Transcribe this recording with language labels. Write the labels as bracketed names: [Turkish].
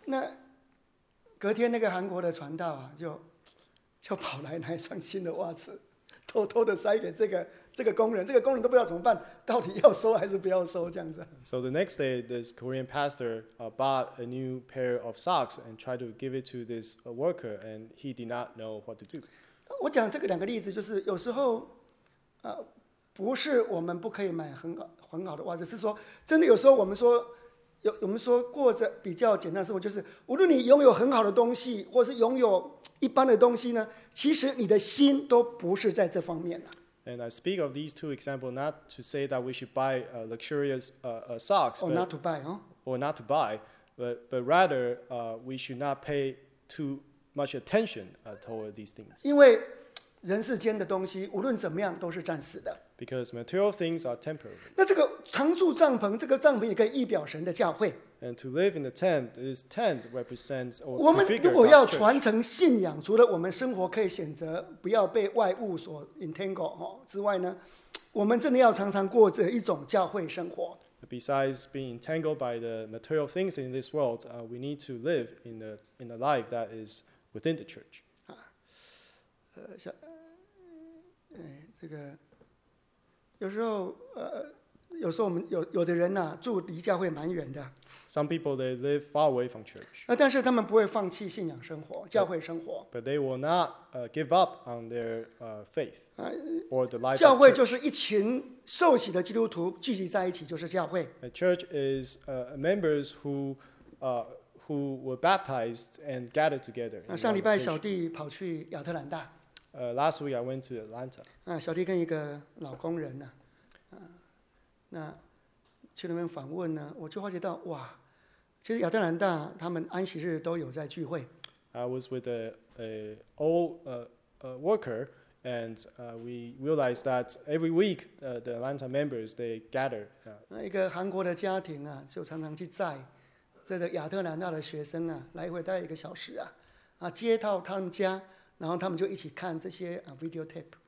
[Chinese] 那隔天那个韩国的传道啊，就跑来拿一双新的袜子，偷偷的塞给这个工人，这个工人都不知道怎么办，到底要收还是不要收这样子。 [English] So the next day, this Korean pastor bought a new pair of socks and tried to give it to this worker, and he did not know what to do. [Chinese] 我讲这个两个例子，就是有时候，不是我们不可以买很好的袜子，是说真的，有时候我们说过着比较简单的生活，就是无论你拥有很好的东西，或是拥有一般的东西呢，其实你的心都不是在这方面的。 [English] And I speak of these two examples not to say that we should buy luxurious socks, or not to buy, but rather we should not pay too much attention toward these things. [Chinese] 因为人世间的东西无论怎么样都是暂时的。 [English] Because material things are temporary. [Chinese] 那这个常住帐篷，这个帐篷也可以预表神的教会。 [English] And to live in the tent, this tent represents or prefigures. [Chinese] 我们如果要传承信仰，除了我们生活可以选择不要被外物所 entangle 之外呢，我们真的要常常过着一种教会生活。 [English] Besides being entangled by the material things in this world, we need to live in a life that is within the church. [Chinese] 这个。有时候，有时候我们有的人呐、住离教会蛮远的。 [English] Some people they live far away from church. [Chinese] 但是他们不会放弃信仰生活、教会生活。 [English] But they will not give up on their faith or the life. [Chinese] 教会就是一群受洗的基督徒聚集在一起，就是教会。 [English] A church is members who were baptized and gathered together. [Chinese] 上礼拜小弟跑去亚特兰大。 [English] Last week I went to Atlanta. [Chinese] 小弟跟一个老工人那去那边访问呢，我就发觉到哇，其实亚特兰大他们安息日都有在聚会。 [English] I was with a old worker, and we realized that every week the Atlanta members they gather. [Chinese] 一个韩国的家庭就常常去载这个亚特兰大的学生来回大概一个小时接到他们家。然后他们就一起看这些videotape.